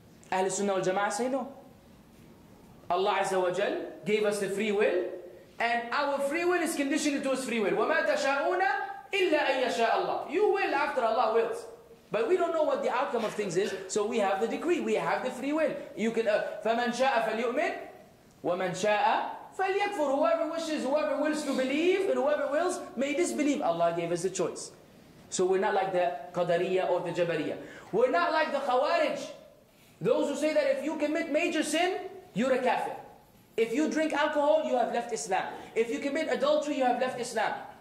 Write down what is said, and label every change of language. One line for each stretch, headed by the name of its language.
English: Ahl Sunnah wal Jama'ah say no. Allah Azza wa Jal gave us the free will, and our free will is conditioned to His free will.
Arabic: وَمَا تَشَاءُونَ إِلَّا أَن يَشَاءَ اللَّهُ.
English: You will after Allah wills. But we don't know what the outcome of things is, so we have the decree, we have the free will. You can,
Arabic: فَمَنْ شَاءَ فَلْيُؤْمِنْ وَمَنْ شَاءَ فَلْيَكْفُرْ.
English: Whoever wishes, whoever wills to believe, and whoever wills, may disbelieve. Allah gave us the choice. So we're not like the Qadariya or the Jabariya. We're not like the Khawarij. Those who say that if you commit major sin, you're a kafir. If you drink alcohol, you have left Islam. If you commit adultery, you have left Islam.